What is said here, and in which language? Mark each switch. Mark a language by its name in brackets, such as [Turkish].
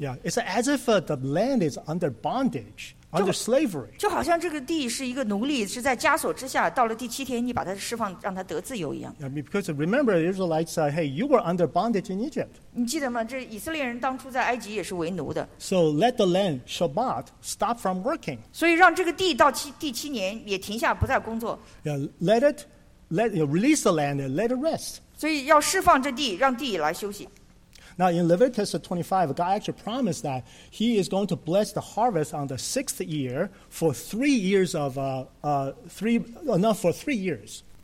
[English] Yeah, it's as if the land is under bondage. Under slavery. [Chinese] 就好像这个地是一个奴隶，是在枷锁之下，到了第七天，你把它释放，让它得自由一样。 [English] Yeah, because remember, the Israelites said, hey, you were under bondage in Egypt. [Chinese] 你记得吗? 这以色列人当初在埃及也是为奴的。 [English] So let the land, Shabbat, stop from working. [Chinese] 所以让这个地到第七年也停下，不再工作。 [English] Yeah, release the land and let it rest. [Chinese] 所以要释放这地，让地来休息。 [English] Now, in Leviticus 25, God actually promised that he is going to bless the harvest on the sixth year for 3 years of, for three years.